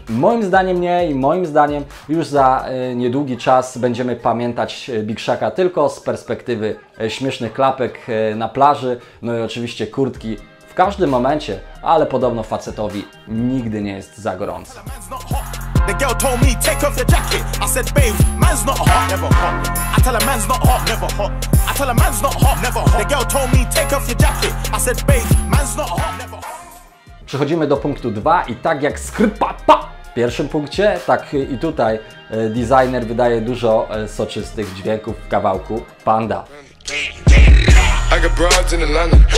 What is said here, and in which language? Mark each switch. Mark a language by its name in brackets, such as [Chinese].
[Polish] Moim zdaniem nie i moim zdaniem już za niedługi czas będziemy pamiętać Big Shaka tylko z perspektywy śmiesznych klapek na plaży, no i oczywiście kurtki w każdym momencie, ale podobno facetowi nigdy nie jest za gorąco. [English] The girl told me take off your jacket. I said babe, man's not hot, never hot. I tell her man's not hot, never hot. I tell her man's not hot, never hot. The girl told me take off your jacket. I said babe, man's not hot, never hot. [Polish] Przechodzimy do punktu 2 i tak jak skrypa pa w pierwszym punkcie, tak i tutaj designer wydaje dużo soczystych dźwięków w kawałku Panda. [English] I got broads in Atlanta.